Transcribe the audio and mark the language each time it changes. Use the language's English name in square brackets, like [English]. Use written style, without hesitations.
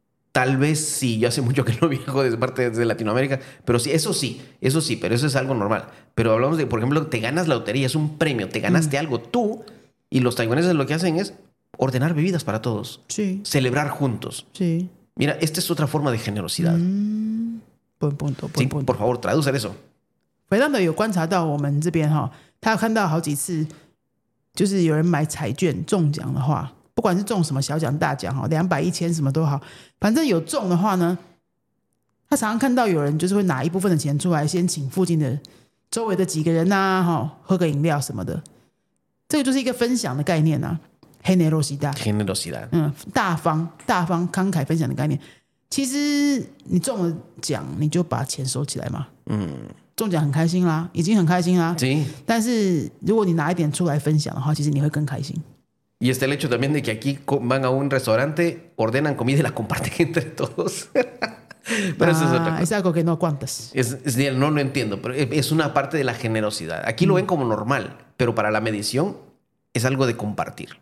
[Spanish] Tal vez sí, yo hace mucho que no viajo desde parte de Latinoamérica, pero sí, eso sí, pero eso es algo normal. Pero hablamos de, por ejemplo, te ganas la lotería, es un premio, te ganaste algo tú, y los taiwaneses lo que hacen es ordenar bebidas para todos. Sí. Celebrar juntos. Sí. Mira, esta es otra forma de generosidad. Buen punto. Por favor, traduce eso. [Chinese] Fernando, [Spanish] yo [Chinese] 观察到我们这边哈，他有看到好几次，就是有人买彩券中奖的话。不管是中什么小奖大奖200 1000什么都好，反正有中的话呢，他常常看到有人就是会拿一部分的钱出来先请附近的周围的几个人啊喝个饮料什么的，这个就是一个分享的概念啊， [Spanish] Generosidad、 [Chinese] 大方慷慨分享的概念。其实你中了奖你就把钱收起来嘛，中奖很开心啦，已经很开心啦，但是如果你拿一点出来分享的话，其实你会更开心。 [Spanish] Y está el hecho también de que aquí van a un restaurante, ordenan comida y la comparten entre todos. Pero eso es otra cosa. Es algo que no aguantas. No lo entiendo, pero es una parte de la generosidad. Aquí lo ven como normal, pero para la medición es algo de compartir.